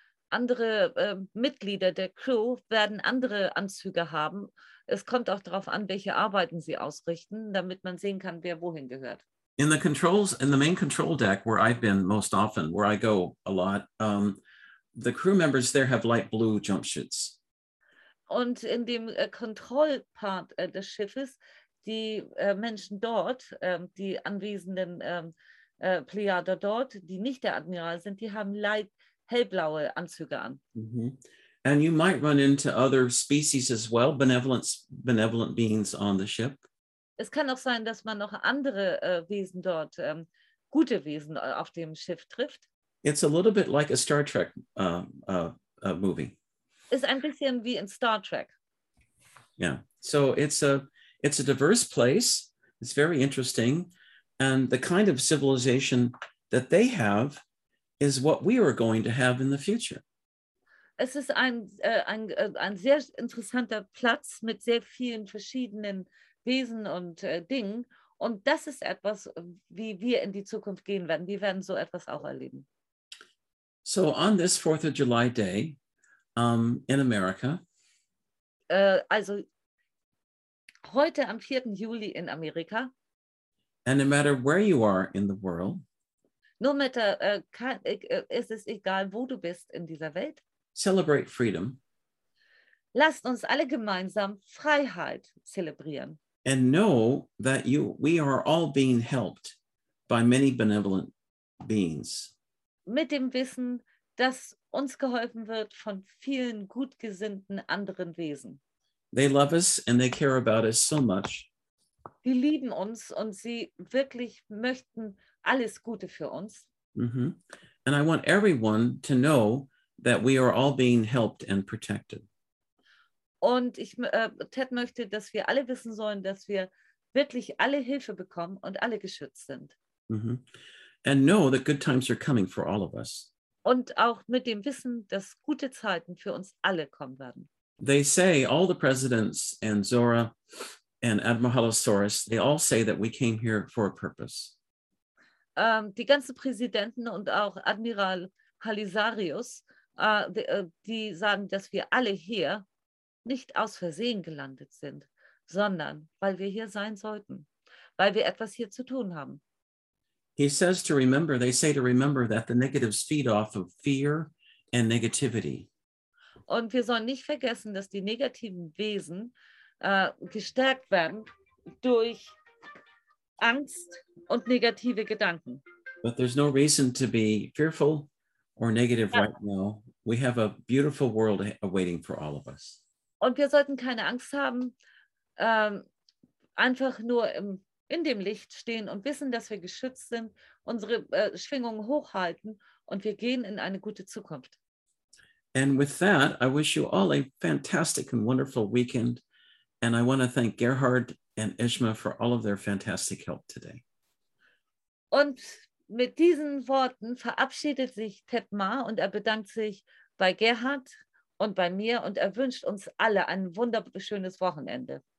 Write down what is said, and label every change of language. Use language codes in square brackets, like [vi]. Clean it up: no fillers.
[de] Andere Mitglieder der Crew werden andere Anzüge haben. Es kommt auch darauf an, welche Arbeiten sie ausrichten, damit man sehen kann, wer wohin gehört. [en] In the controls, in the main control deck, where I've been most often, where I go a lot, the crew members there have light blue jumpsuits. [de] Und in dem Kontrollpart des Schiffes, die Menschen dort, die anwesenden Plejader dort, die nicht der Admiral sind, die haben light hellblaue Anzüge an. Mm-hmm. [en] And you might run into other species as well, benevolent beings on the ship. [de] Es kann auch sein, dass man noch andere Wesen dort, gute Wesen auf dem Schiff trifft. [en] It's a little bit like a Star Trek movie. [de] Ist ein bisschen wie in Star Trek. [en] Yeah, so it's a diverse place. It's very interesting. And the kind of civilization that they have is what we are going to have in the future. [de] Es ist ein sehr interessanter Platz mit sehr vielen verschiedenen Wesen und Dingen. Und das ist etwas, wie wir in die Zukunft gehen werden. Wir werden so etwas auch erleben. [en] So on this 4th of July day in America. [de] Also heute am 4. Juli in Amerika. [en] And no matter where you are in the world. No matter, [de] ist es egal, wo du bist in dieser Welt. [en] Celebrate freedom. [de] Lasst uns alle gemeinsam Freiheit zelebrieren. [en] And know that we are all being helped by many benevolent beings. [de] Mit dem Wissen, dass uns geholfen wird von vielen gutgesinnten anderen Wesen. [en] They love us and they care about us so much. [de] Die lieben uns und sie wirklich möchten alles Gute für uns. Mm-hmm. [en] And I want everyone to know that we are all being helped and protected. [de] Und ich Ted möchte, dass wir alle wissen sollen, dass wir wirklich alle Hilfe bekommen und alle geschützt sind. Mm-hmm. [en] And know that good times are coming for all of us. [de] Und auch mit dem Wissen, dass gute Zeiten für uns alle kommen werden. [en] They say all the presidents and Zora and Admiralosaurus, they all say that we came here for a purpose. [de] Die ganzen Präsidenten und auch Admiral Palisarius, die sagen, dass wir alle hier nicht aus Versehen gelandet sind, sondern weil wir hier sein sollten, weil wir etwas hier zu tun haben. [en] He says to remember, they say to remember that the negatives feed off of fear and negativity. [de] Und wir sollen nicht vergessen, dass die negativen Wesen gestärkt werden durch Angst und negative Gedanken. [en] But there's no reason to be fearful or negative right now. We have a beautiful world awaiting for all of us. [de] Und wir sollten keine Angst haben, einfach nur in dem Licht stehen und wissen, dass wir geschützt sind, unsere Schwingungen hochhalten und wir gehen in eine gute Zukunft. [en] And with that, I wish you all a fantastic and wonderful weekend. And I want to thank Gerhard and Ishma for all of their fantastic help today. [de] Und mit diesen Worten verabschiedet sich Ted Mahr und er bedankt sich bei Gerhard und bei mir und er wünscht uns alle ein wunderschönes Wochenende.